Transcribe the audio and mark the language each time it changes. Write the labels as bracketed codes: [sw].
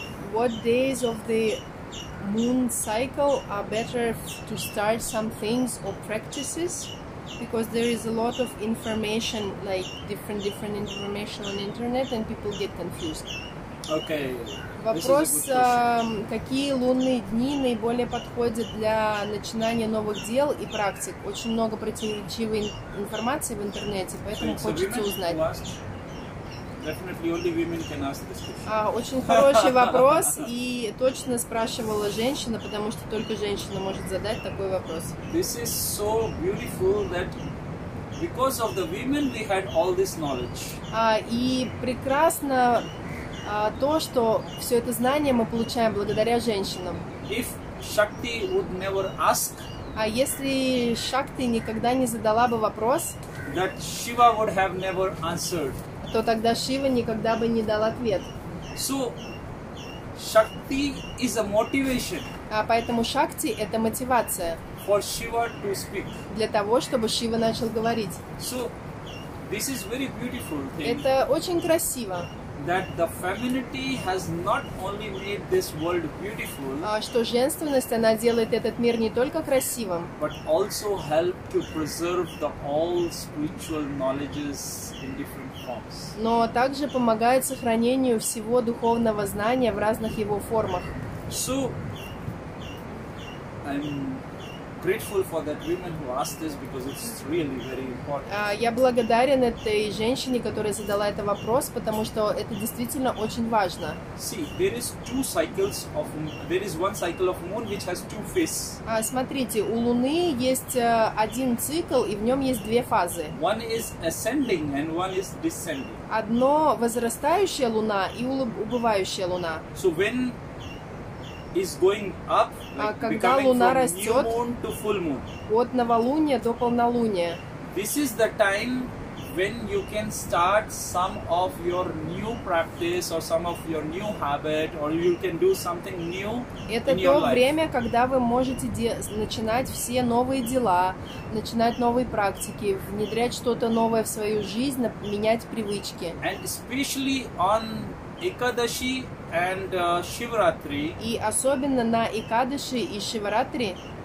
[en] What days of the moon cycle are better to start some things or practices? Because there is a lot of information, like different information on internet, and people get confused. Okay. [ru] Вопрос, какие лунные дни наиболее подходят для начинания новых дел и практик? Очень много противоречивой информации в интернете, поэтому хочется узнать. [en] Definitely only women can ask this question. [ru] Очень хороший вопрос, и точно спрашивала женщина, потому что только женщина может задать такой вопрос. [en] This is so beautiful that because of the women we had all this knowledge. [ru] И прекрасно то, что все это знание мы получаем благодаря женщинам. [en] If Shakti would never ask. [ru] Если Шакти никогда не задала бы вопрос. [en] That Shiva would have never answered. [ru] То тогда Шива никогда бы не дал ответ. [en] So, Shakti is a motivation. [ru] Поэтому Шакти — это мотивация. [en] For Shiva to speak. [ru] Для того, чтобы Шива начал говорить. [en] So, this is very beautiful thing. [ru] Это очень красиво. [en] That the femininity has not only made this world beautiful. [ru] Что женственность, она делает этот мир не только красивым. [en] But also helped to preserve the all spiritual knowledges in different. [ru] Но также помогает сохранению всего духовного знания в разных его формах. [en] So, I'm grateful for that woman who asked this because it's really very important. [ru] Я благодарен этой женщине, которая задала этот вопрос, потому что это действительно очень важно. [en] See, there is two cycles of there is one cycle of moon which has two phases. [ru] Смотрите, у Луны есть один цикл и в нем есть две фазы. [en] One is ascending and one is descending. [ru] Одно возрастающая Луна и убывающая Луна. [en] So when is going up, [ru] когда Луна растет, [en] new moon to full moon. [ru] От новолуния до полнолуния. [en] This is the time when you can start some of your new practice or some of your new habit or you can do something new. [ru] Это [en] in your [ru] то [en] life. [ru] Время, когда вы можете начинать все новые дела, начинать новые практики, внедрять что-то новое в свою жизнь, менять привычки. [en] And especially on Ekadashi and Shivratri. [ru] И особенно на Экадаши и Шиваратри.